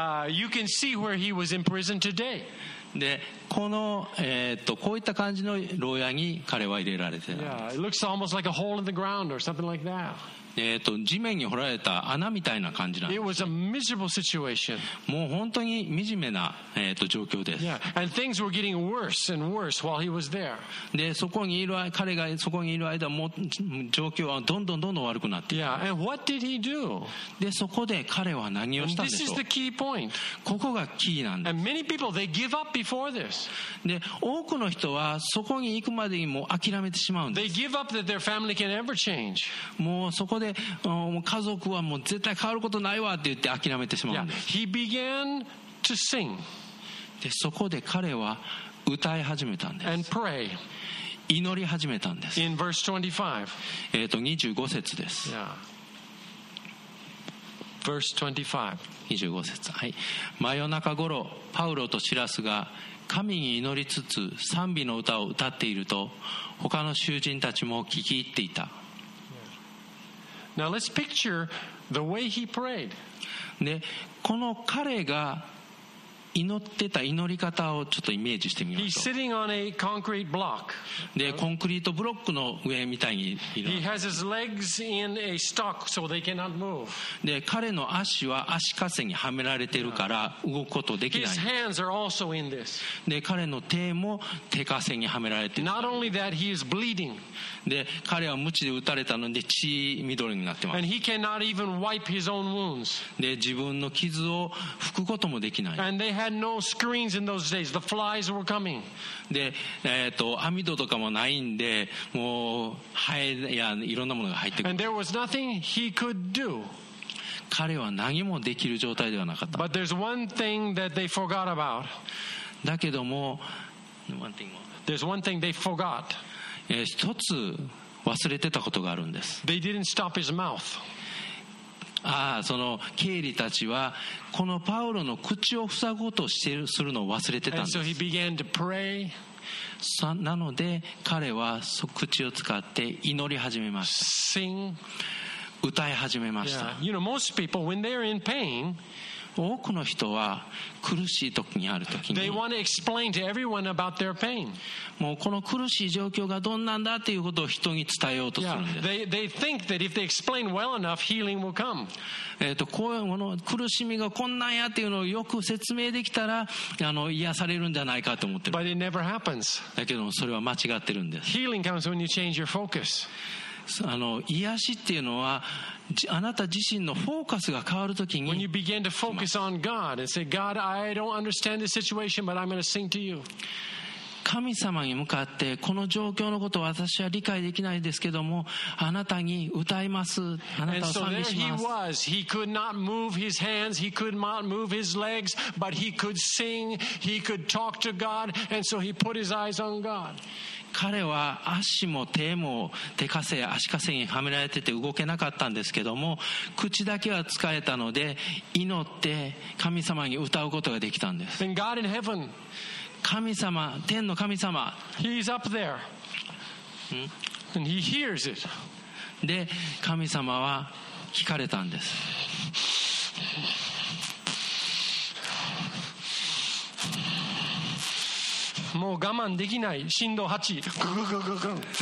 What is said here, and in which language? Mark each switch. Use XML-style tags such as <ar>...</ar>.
<en>you can see where he was in prison today.</en> <ja>で、この、こういった感じの牢屋に彼は入れられてる。</ja> <en>Yeah, it looks almost like a hole in the ground or something like that.</en> <ja>地面に掘られた穴みたいな感じなんです。</ja> <en>It was a miserable situation.</en> <ja>もう本当に惨めな、状況です。</ja> <en>Yeah, and things were getting worse and worse while he was there.</en> <ja>で、そこにいる、彼がそこにいる間も状況はどんどんどんどん悪くなってい</ja> <en>く。Yeah, and what did he do?</en> <ja>で、そこで彼は何をしたんでしょう。</ja> <en>This is the key point.</en> <ja>ここがキーなんです。</ja> <en>And many people, they give up before this.</en> <ja>で、多くの人はそこに行くまでにもう諦めてしまうんです。</ja> <en>They give up that their family can ever change.</en> <ja>もうそこで家族はもう絶対変わることないわって言って諦めてしまうんです。</ja> <en>Yeah, he began to sing.</en> <ja>で、そこで彼は歌い始めたんです。</ja> <en>And pray.</en> <ja>祈り始めたんです。</ja> <en>In verse 25.</en> <ja>25節です。</ja> <en>Yeah. Verse 25.</en> <ja>25節、はい、真夜中頃パウロとシラスが神に祈りつつ賛美の歌を歌っていると他の囚人たちも聞き入っていた。</ja> <en>Now let's picture the way he prayed.</en> <ja>で、この彼が祈ってた祈り方をちょっとイメージしてみましょう。</ja> <en>He's sitting on a concrete block.</en> <ja>で、コンクリートブロックの上みたいに</ja> <en>He has his legs in a stock so they cannot move.</en> <ja>で、彼の足は足かせにはめられてるから動くことできない。</ja> <en>His hands are also in this.</en> <ja>で、彼の手も手かせにはめられてる。</ja> <en>Not only that, he is bleeding.</en> <ja>で、彼は鞭で打たれたので血緑になってます。</ja> <en>And he cannot even wipe his own wounds.</en> <ja>で、自分の傷を拭くこともできない。</ja> <en>They had no screens in those days. The flies were coming.</en> <ja>で、網戸とかもないんで、もうハエやいろんなものが入ってくる。</ja> <en>And there was nothing he could do.</en> <ja>彼は何もできる状態ではなかった。</ja> <en>But there's one thing that they forgot about.</en> <ja>だけども、</ja> <en>There's one thing they forgot.</en> <ja>一つ忘れてたことがあるんです。</ja> <en>They didn't stop his mouth.</en> <ja>ああ、その経理たちはこのパウロの口を塞ごうとしてするのを忘れてたんです。</ja> <en>And so he began to pray.</en> <ja>なので彼は口を使って祈り始めました。</ja> <en>Sing.</en> <ja>歌い始めました。</ja> <en>Yeah. You know, most people, when they're in pain,</en> <ja>多くの人は苦しい時にある時に</ja> <en>they want to explain to everyone about their pain.</en> <ja>もうこの苦しい状況がどんなんだということを人に伝えようとするんです。</ja> <en>Yeah. They think that if they explain well enough, healing will come.</en> <ja>こういうもの苦しみがこんなんやっていうのをよく説明できたら癒されるんじゃないかと思ってる。</ja> <en>But it never happens.</en> <ja>だけどそれは間違ってるんです。</ja> <en>Healing comes when you change your focus.</en> <ja>癒しっていうのはあなた自身のフォーカスが変わるときに</ja> <en>When you begin to focus on God and say, God, I don't understand this situation, but I'm going to sing to you.</en> <ja>神様に向かってこの状況のことを私は理解できないですけどもあなたに歌います、あなたを賛美します。</ja> <en>And so there he was. He could not move his hands. He could not move his legs. But he could sing. He could talk to God. And so he put his eyes on God.</en> <ja>彼は足も手も手かせ足かせにはめられてて動けなかったんですけども口だけは使えたので祈って神様に歌うことができたんです。</ja> <en>And God in heaven,</en> <ja>神様天の神様</ja> <en>He's up there and he hears it.</en> <ja>で神様は聞かれたんです。もう我慢できない振動8ガガガガガン</ja>